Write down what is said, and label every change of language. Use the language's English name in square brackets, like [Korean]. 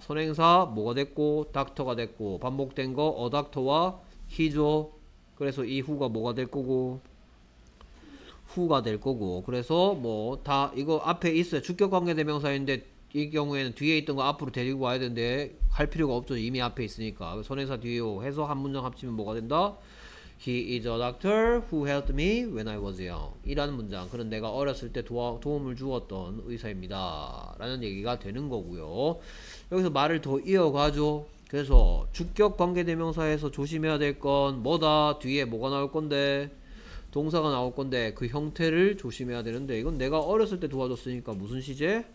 [Korean] 선행사 뭐가 됐고 닥터가 됐고 반복된 거 [English] a doctor [Korean] 와 he죠. 그래서 이 who가 뭐가 될 거고 who가 될 거고 그래서 뭐다 이거 앞에 있어요. 주격 관계대명사인데 이 경우에는 뒤에 있던 거 앞으로 데리고 와야 되는데 할 필요가 없죠. 이미 앞에 있으니까. 선행사 뒤요 해서 한 문장 합치면 뭐가 된다? [English] He is a doctor who helped me when I was young. [Korean] 이라는 문장. 그는 내가 어렸을 때 도움을 주었던 의사입니다. 라는 얘기가 되는 거고요. 여기서 말을 더 이어가죠. 그래서 주격 관계대명사에서 조심해야 될건 뭐다? 뒤에 뭐가 나올 건데? 동사가 나올 건데 그 형태를 조심해야 되는데 이건 내가 어렸을 때 도와줬으니까 무슨 시제?